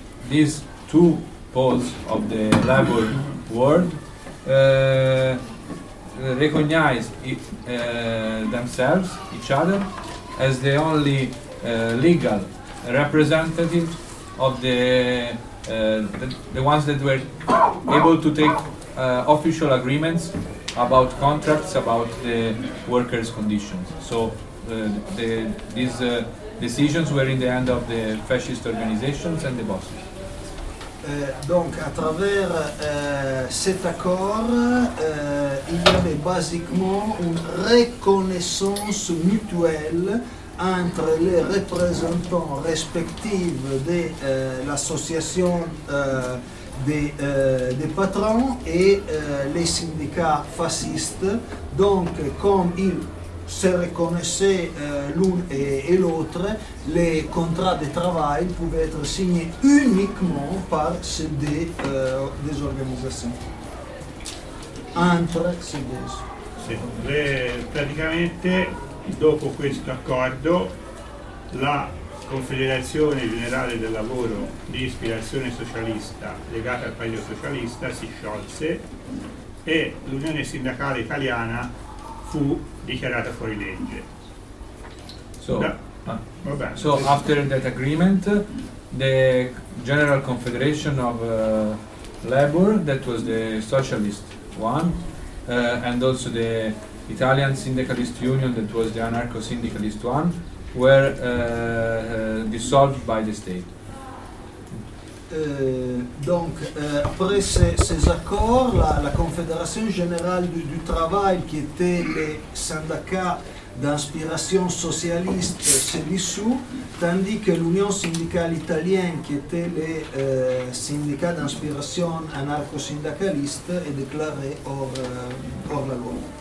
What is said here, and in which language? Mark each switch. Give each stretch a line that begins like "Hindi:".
English: these two poles of the labor world recognized themselves, each other, as the only legal representative of the ones that were able to take official agreements about contracts, about the workers' conditions. So these decisions were in the hand of the fascist organizations and the bosses.
French: Donc, à travers cet accord, il y avait basiquement une reconnaissance mutuelle entre les représentants respectifs de l'association des patrons et les syndicats fascistes. Donc, comme ils se reconnaissaient l'un et l'autre, les contrats de travail pouvaient être signés uniquement par ces deux des organisations. Entre ces deux.
Italian: Praticamente, dopo questo accordo, la Confederazione Generale del Lavoro di ispirazione socialista legata al Partito Socialista si sciolse e l'Unione Sindacale Italiana fu dichiarata fuori legge.
English: So after that agreement, the General Confederation of Labor, that was the socialist one, and also the Italian Syndicalist Union, that was the anarcho-syndicalist one, were dissolved by the state.
French: Donc, après ces accords, la Confédération Générale du Travail, qui était les syndicats d'inspiration socialiste, s'est dissous, tandis que l'Union syndicale italienne, qui était les syndicats d'inspiration anarcho-syndicaliste, est déclarée hors la loi.